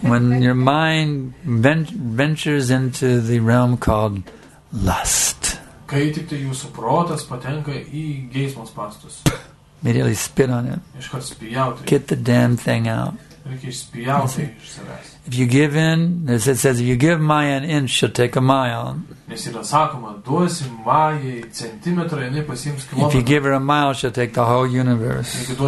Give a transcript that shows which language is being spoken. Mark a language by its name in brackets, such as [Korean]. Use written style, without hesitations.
[English] When your mind ventures into the realm called lust. [Lithuanian] Kai tik tai jūsų protas patenka į geismo spąstus. [English] Immediately spit on it. [Lithuanian] Iškart spjauti. [English] Get the damn thing out. If you give in, it says, if you give Maya an inch, she'll take a mile. If you give her a mile, she'll take the whole universe.